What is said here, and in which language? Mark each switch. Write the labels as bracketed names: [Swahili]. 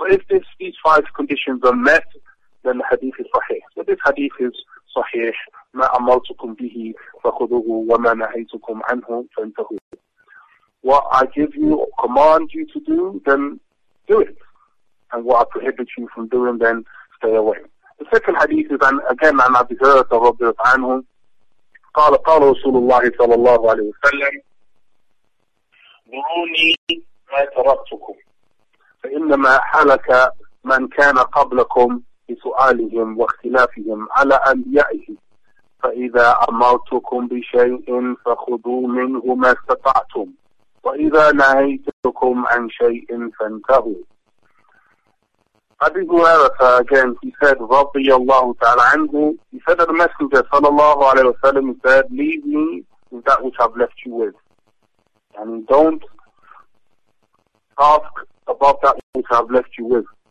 [English] So if these five conditions are met, then the hadith is sahih. So this hadith is sahih. [Arabic] مَا أَمَرْتُكُمْ بِهِ فَخُذُهُ وَمَا نَهَيْتُكُمْ عَنْهُ فَانْتَهُ. [English] What I give you or command you to do, then do it. And what I prohibit you from doing, then stay away. [Arabic] The second hadith is, and again, عن أبي هريرة رضي الله عنه قال قال رسول الله صلى الله عليه وسلم دعوني ما تركتكم فإنما حلك من كان قبلكم بسؤالهم واختلافهم على أنبيائهم فإذا أمرتكم بشيء فخذوا منه ما استطعتم وإذا نهيتكم عن شيء فانتهوا. [English] أبي هريرة again, he said رضي الله تعالى عنه, he said that the Messenger صلى الله عليه وسلم said, leave me with that which I've left you with. And don't ask about that which I've left you with.